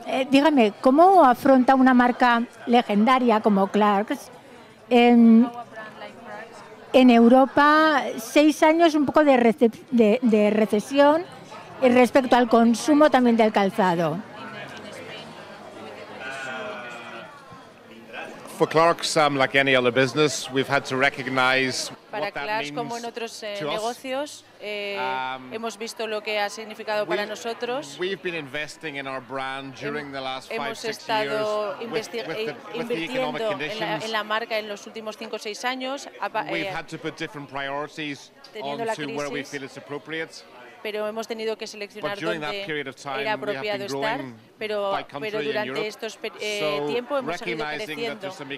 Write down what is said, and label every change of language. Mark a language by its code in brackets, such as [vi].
[es] Dígame, ¿cómo afronta una marca legendaria como Clarks en Europa 6 años un poco de recesión respecto al consumo también del calzado? [en] For Clarks, like any other business, we've had to recognize [es] para Clarks, como en otros negocios, hemos visto lo que ha significado para nosotros. [en] We've been investing in our brand during the last five, [es] hemos estado invirtiendo en la marca en los últimos 5 o 6 años. [en] We've had to put different priorities onto where we feel it's appropriate. [es] Pero hemos tenido que seleccionar dónde era apropiado estar, pero durante estos tiempos hemos seguido creciendo.